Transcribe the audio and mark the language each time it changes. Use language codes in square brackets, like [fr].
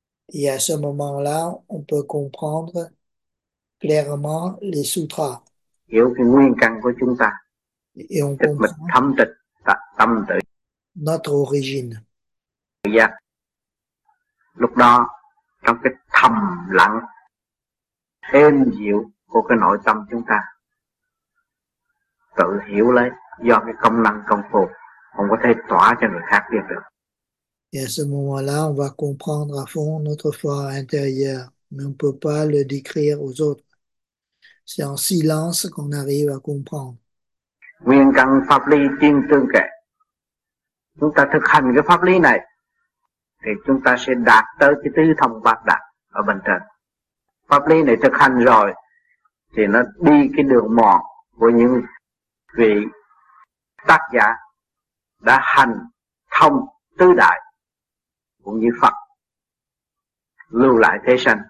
[fr] Et à ce moment-là, on peut comprendre clairement les sutras. [vi] Hiểu cái nguyên căn của chúng ta. [fr] Et on comprend [vi] tâm tự [fr] notre origine. Yeah. [vi] Lúc đó trong cái thầm lặng êm dịu của cái nội tâm chúng ta tự hiểu lấy, do cái công năng công phu không có thể tỏa cho người khác biết được. [fr] Et à ce moment-là, on va comprendre à fond notre foi intérieure, mais on ne peut pas le décrire aux autres. C'est en silence qu'on arrive à comprendre. [vi] Nguyên căn pháp lý tiên tương kệ. Chúng ta thực hành cái pháp lý này thì chúng ta sẽ đạt tới cái tứ thông bát đạt ở bên trên. Pháp lý này thực hành rồi thì nó đi cái đường mòn của những vị tác giả đã hành thông tứ đại cũng như Phật lưu lại thế sanh.